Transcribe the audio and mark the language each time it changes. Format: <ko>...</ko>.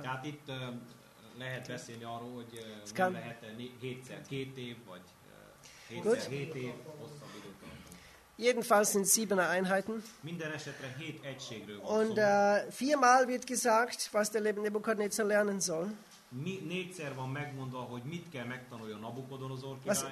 <hu>Tehát itt lehet beszélni arról, hogy nem lehet 7-2 év, vagy 7-7 év hosszabb időt.</hu> <de>Jedenfalls sind 7 Einheiten.</de> <hu>Minden esetre 7 egységről van szó.</hu> <de>Und viermal wird gesagt, was der Nebukadnezar lernen soll.</de> <hu>4-szer van megmondva, hogy mit kell megtanuljon Nabukodonozor király.</hu>